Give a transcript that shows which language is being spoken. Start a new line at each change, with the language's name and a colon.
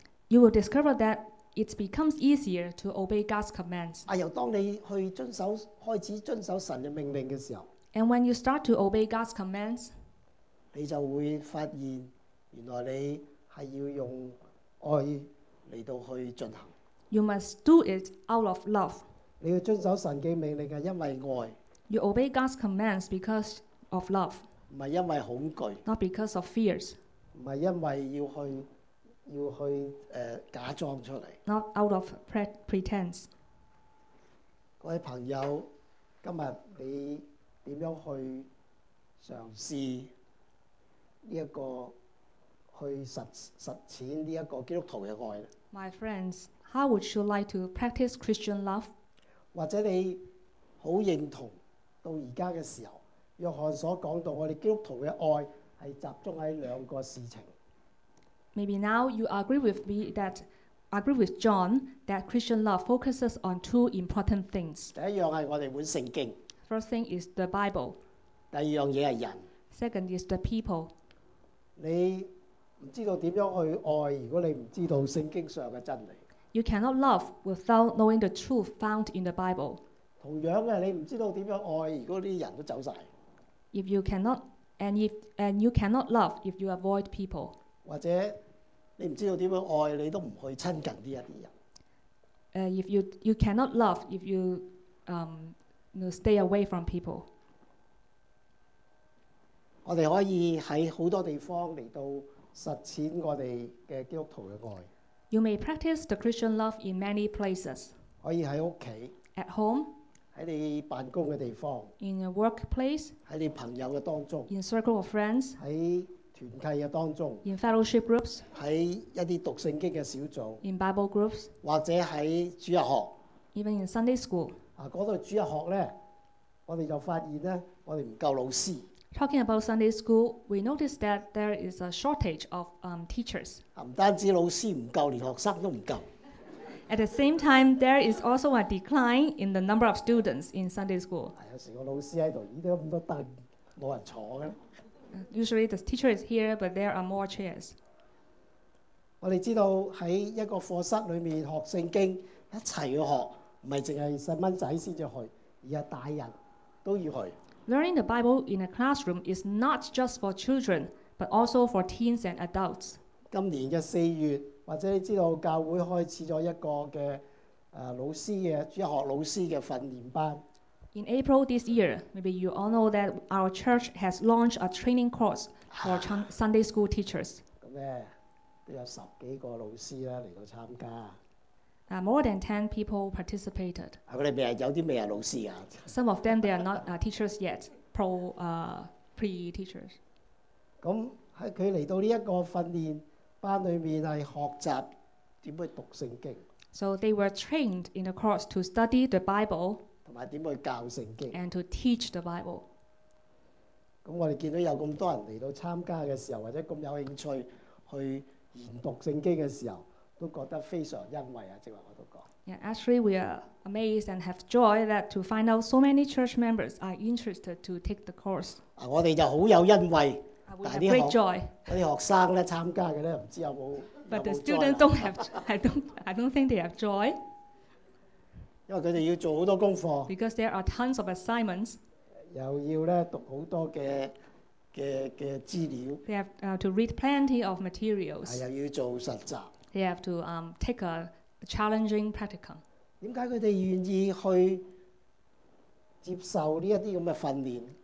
English: You will discover that it becomes easier to obey God's commands。
Cantonese: 由當你去遵守開始遵守神嘅命令嘅時候
English: ，And when you start to obey God's commands，
Cantonese: 你就會發現原來你係要用愛嚟到去進行。
English: You must do it out of love。
Cantonese: 你要遵守神嘅命令係因為愛。
English: You obey God's commands because of love.
Cantonese: 不是因為恐懼,
English: not because of fears.
Cantonese: 不是因為要去假裝出來,
English: not out of pretense.
Cantonese: 各位朋友, 今天你怎樣去嘗試這個, 去實踐這個基督徒的愛呢?
English: My friends, how would you like to practice Christian love?
Cantonese: 或者你很認同到而家嘅時候，約翰所講到我哋基督徒嘅愛係集中喺兩個事情。
English: Maybe now you agree with John that Christian love focuses on two important things.
Cantonese: 第一樣係我哋本聖經。
English: First thing is the Bible.
Cantonese: 第二樣嘢係人。
English: Second is the people.
Cantonese: 你唔知道點樣去愛，如果你唔知道聖經上嘅真理。
English: You cannot love without knowing the truth found in the Bible.
Cantonese: 同樣嘅，你唔知道點樣愛，如果啲人都走曬。
English: If you cannot and you cannot love if you avoid people，
Cantonese: 或者你唔知道點樣愛，你都唔去親近呢一啲人。
English: If you cannot love if you you know, stay away from people，
Cantonese: 我哋可以喺好多地方嚟到實踐我哋嘅基督徒嘅愛。
English: You may practice the Christian love in many places。
Cantonese: 可以喺屋企。
English: At home。
Cantonese: 在你辦公的地方
English: ，in a workplace，
Cantonese: 在你朋友的當中
English: ，in circle of friends，
Cantonese: 在團契的當中
English: ，in fellowship groups，
Cantonese: 在一些讀聖經的小組
English: ，in Bible groups，
Cantonese: 或者在主日學
English: ，even in Sunday school。
Cantonese: 嗰度主日學咧，我哋就發現咧，我哋唔夠老師。
English: Talking about Sunday school， we noticed that there is a shortage of teachers。
Cantonese: 唔單止老師唔夠，連學生都唔夠。
English: At the same time, there is also a decline in the number of students in Sunday school.
Cantonese: 有時個老師喺度，依度咁多凳，冇人坐嘅。
English: Usually the teacher is here, but there are more chairs.
Cantonese: 我哋知道喺一個課室裏面學聖經，一齊去學，唔係淨係細蚊仔先至去，而係大人都要去。
English: Learning the Bible in a classroom is not just for children, but also for teens and adults.
Cantonese: 今年嘅四月。或者你知道教會開始咗一個嘅老師嘅主學老師嘅訓練班。
English: In April this year, maybe you all know that our church has launched a training course for Sunday school teachers.
Cantonese: 咁咧都有十幾個老師咧嚟到參加。
English: More than 10 people participated.
Cantonese: 佢哋未係有啲未係老師啊。
English: Some of them they are not teachers yet, pre teachers.
Cantonese: 咁喺佢嚟到呢一個訓練。班裏面係學習點去讀聖經
English: ，so they were trained in a course to study the Bible，
Cantonese: 同埋點去教聖經
English: ，and to teach the Bible。
Cantonese: 咁我哋見到有咁多人嚟到參加嘅時候，或者咁有興趣去研讀聖經嘅時候，都覺得非常欣慰啊！即係我都講。
English: Yeah, actually, we are amazed and have joy that to find out so many church members are interested to take the course.
Cantonese: 啊，我哋就好有欣慰。
English: We have great joy.
Cantonese: 嗰啲學生咧參加嘅咧，唔知有冇有冇
English: But the students don't have, I don't think they have joy.
Cantonese: 因為佢哋要做好多功課。
English: Because there are tons of assignments.
Cantonese: 又要咧讀好多嘅。的資料
English: they have to read plenty of materials.
Cantonese: 又要做實習
English: they have to take a challenging practicum.
Cantonese: 為什麼他們願意去接受這些訓練